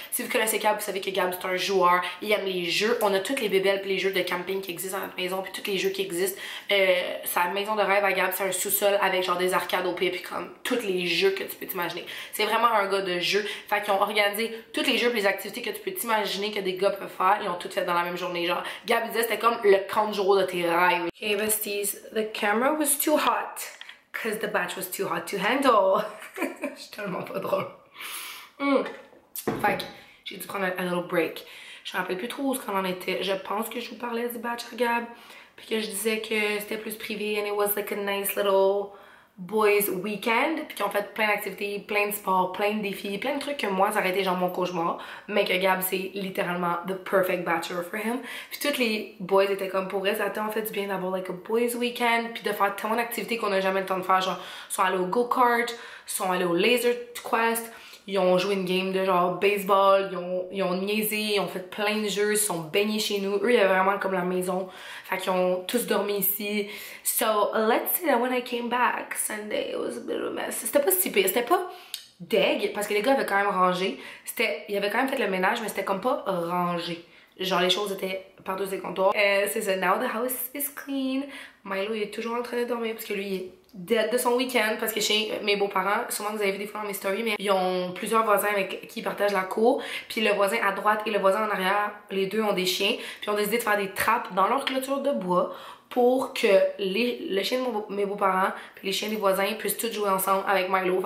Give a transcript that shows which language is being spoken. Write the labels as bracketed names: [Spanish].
[French] Si vous connaissez Gab, vous savez que Gab, c'est un joueur. Il aime les jeux. On a toutes les bébelles, puis les jeux de camping qui existent dans notre maison, puis tous les jeux qui existent. Sa maison de rêve à Gab, c'est un sous-sol avec genre des arcades au pied, puis comme tous les jeux que tu peux t'imaginer. C'est vraiment un gars de jeu. Fait qu'ils ont organisé tous les jeux et les activités que tu peux t'imaginer que des gars peuvent faire. Ils ont toutes fait dans la même journée. Genre, Gab disait c'était comme le camp de jour de tes rêves. [English] Okay, besties, the camera was too hot because the batch was too hot to handle. [French] Je suis tellement pas drôle. Fait que j'ai dû prendre un [English] little break. [French] Je me rappelle plus trop où ce qu'on en était. Je pense que je vous parlais du batch à Gab. Puis que je disais que c'était plus privé [English] and it was like a nice little boys weekend. [French] Puis qu'ils ont fait plein d'activités, plein de sports, plein de défis, plein de trucs que moi ça aurait été genre mon cauchemar. Mais que Gab c'est littéralement [English] the perfect bachelor for him. [French] Puis tous les boys étaient comme pour eux, ça a en fait du bien d'avoir [English] like a boys weekend. [French] Puis de faire tellement d'activités qu'on n'a jamais le temps de faire, genre soit aller au go-kart, soit aller au laser quest. Ils ont joué une game de genre baseball, ils ont niaisé, ils ont fait plein de jeux, ils sont baignés chez nous. Eux, il y avait vraiment comme la maison. Fait qu'ils ont tous dormi ici. [English] So, let's say that when I came back Sunday, it was a bit of a mess. [French] C'était pas si pire, c'était pas deg, parce que les gars avaient quand même rangé. Ils avaient quand même fait le ménage, mais c'était comme pas rangé. Genre, les choses étaient partout sur les comptoirs. C'est ça, [English] now the house is clean. [French] Milo, il est toujours en train de dormir, parce que lui, il est dead de son week-end, parce que chez mes beaux-parents, souvent vous avez vu des fois dans mes stories, mais ils ont plusieurs voisins avec qui ils partagent la cour, puis le voisin à droite et le voisin en arrière, les deux ont des chiens, puis ont décidé de faire des trappes dans leur clôture de bois pour que le chien de mes beaux-parents puis les chiens des voisins puissent tous jouer ensemble avec Milo.